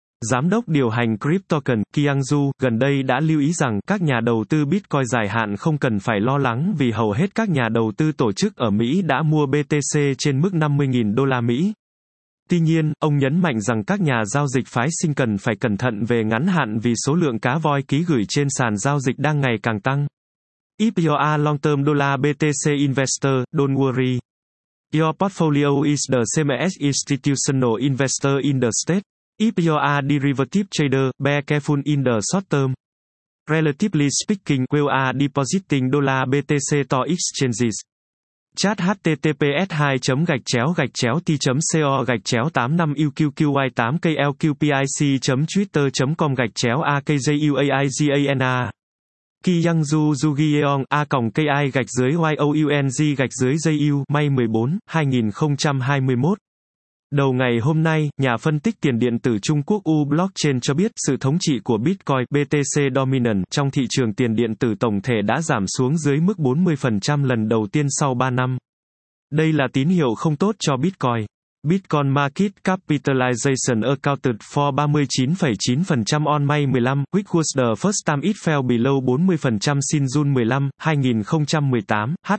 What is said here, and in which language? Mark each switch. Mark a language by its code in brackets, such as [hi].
[vi] Giám đốc điều hành CryptoCon, Kiang Zhu, gần đây đã lưu ý rằng các nhà đầu tư Bitcoin dài hạn không cần phải lo lắng vì hầu hết các nhà đầu tư tổ chức ở Mỹ đã mua BTC trên mức 50.000 đô la Mỹ. Tuy nhiên, ông nhấn mạnh rằng các nhà giao dịch phái sinh cần phải cẩn thận về ngắn hạn vì số lượng cá voi ký gửi trên sàn giao dịch đang ngày càng tăng. [en] If you are long-term dollar BTC investor, don't worry. Your portfolio is the same as institutional investor in the state. If you are derivative trader, be careful in the short term. Relatively speaking, you are depositing dollar BTC to exchanges. Chat https://t.co/85UQQY8KLQPIC.twitter.com/AKJUAIGANR Kiyang Zhu Zugieong, A.KI-YOUNG-YOUNG-JU, May 14, 2021. [vi] Đầu ngày hôm nay, nhà phân tích tiền điện tử Trung Quốc U-Blockchain cho biết sự thống trị của Bitcoin, BTC Dominant, trong thị trường tiền điện tử tổng thể đã giảm xuống dưới mức 40% lần đầu tiên sau 3 năm. Đây là tín hiệu không tốt cho Bitcoin. [en] Bitcoin Market Capitalization accounted for 39.9% on May 15, which was the first time it fell below 40% since June 15, 2018.